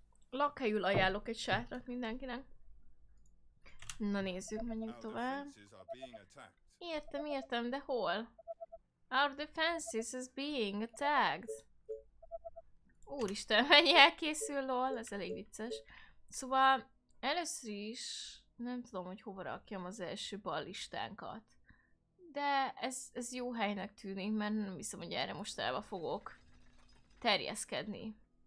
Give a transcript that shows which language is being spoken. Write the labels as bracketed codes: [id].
[hu] Lakhelyül ajánlok egy sátrat mindenkinek. Na nézzük, menjünk tovább. Értem, értem, de hol? [en] Our defenses is being attacked. [hu] Úristen, mennyi elkészül, lol, ez elég vicces. Szóval először is nem tudom, hogy hova rakjam az első bal listánkat. De ez jó helynek tűnik, mert nem hiszem, hogy erre mostanában fogok terjeszkedni.